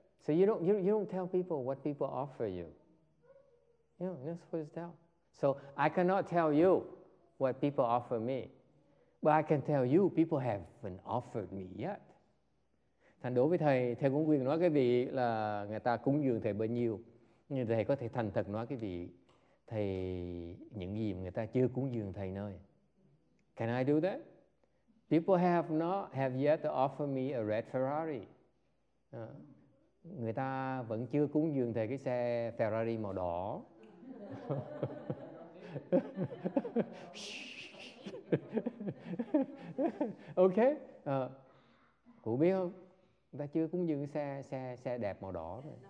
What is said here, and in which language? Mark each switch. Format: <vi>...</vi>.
<en>So you don't tell people what people offer you. You know, you're supposed to tell. So I cannot tell you what people offer me. But I can tell you people haven't offered me yet.</en> <vi>Thành đối với thầy, thầy cũng quyền nói cái vị là người ta cúng dường thầy bao nhiêu. Nhưng thầy có thể thành thật nói cái vị thầy những gì mà người ta chưa cúng dường thầy nơi.</vi> <en>Can I do that? People have yet to offer me a red Ferrari.</en> <vi>Người ta vẫn chưa cúng dường thầy cái xe Ferrari màu đỏ. Ok. Cụ biết không? Người ta chưa cúng dường cái xe đẹp màu đỏ.</vi>